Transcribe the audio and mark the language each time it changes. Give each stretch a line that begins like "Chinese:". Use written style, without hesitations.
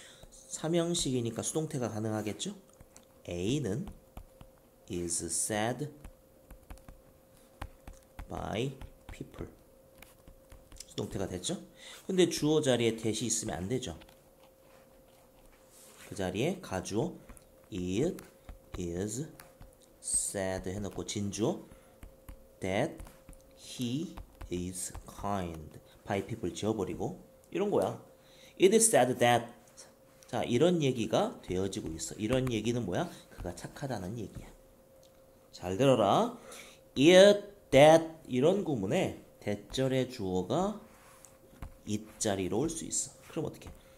Korean: 삼형식이니까 수동태가 가능하겠죠?
English: A는 is said by people. 수동태가 됐죠?
Korean: 근데 주어 자리에 that이 있으면 안 되죠? 그 자리에 가주어
English: it is said
Korean: 해놓고 진주어
English: that he is kind by people
Korean: 지워버리고 이런 거야.
English: It is said that.
Korean: 자, 이런 얘기가 되어지고 있어. 이런 얘기는 뭐야? 그가 착하다는 얘기야. 잘 들어라. It, that 이런 구문에 대절의 주어가 it 자리로 올수 있어. 그럼 어떻게?